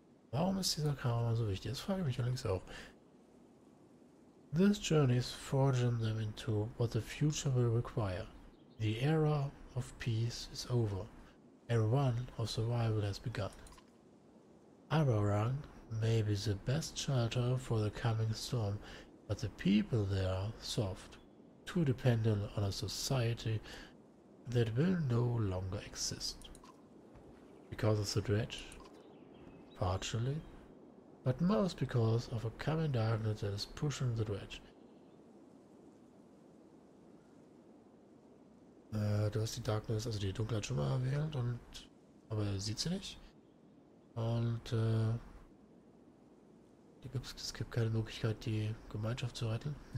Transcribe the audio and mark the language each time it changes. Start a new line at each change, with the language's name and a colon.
German: Warum ist dieser Caravan so wichtig? Das frage ich mich allerdings auch.
English: This journey is forging them into what the future will require. The era of peace is over, and one of survival has begun. Ararang may be the best shelter for the coming storm. But the people there are soft, too dependent on a society that will no longer exist. Because of the dredge? Partially. But most because of a coming darkness that is pushing the dredge.
German: Du hast die Darkness, also die Dunkelheit schon mal erwähnt, und aber sieht sie nicht. Und es gibt keine Möglichkeit, die Gemeinschaft zu retten.